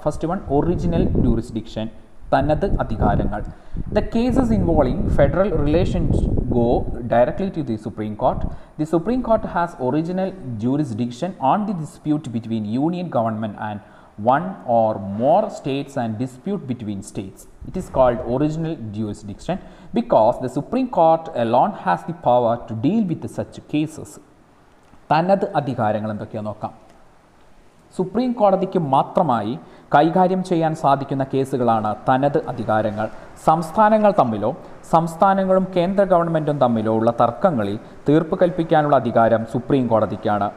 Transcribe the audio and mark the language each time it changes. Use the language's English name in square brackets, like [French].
[English] first one, original jurisdiction, [Malayalam] തനത് അധികാരങ്ങൾ. [English] The cases involving federal relations go directly to the Supreme Court. [Malayalam] The supreme court has original jurisdiction on the dispute between union government and [English] one or more states and dispute between states. It is called original jurisdiction because the Supreme Court alone has the power to deal with such cases. [Malayalam] തനത് അധികാരങ്ങൾ എന്തൊക്കെയാണ് നോക്കാം. Supreme കോടതിക്ക് മാത്രമായി കൈകാര്യം ചെയ്യാൻ സാധിക്കുന്ന കേസുകളാണ് തനത് അധികാരങ്ങൾ. സംസ്ഥാനങ്ങൾ തമ്മിലോ സംസ്ഥാനങ്ങളും കേന്ദ്ര ഗവൺമെൻറ്റും തമ്മിലോ ഉള്ള തർക്കങ്ങളിൽ തീർപ്പ് കൽപ്പിക്കാനുള്ള അധികാരം സുപ്രീം കോടതിക്കാണ്.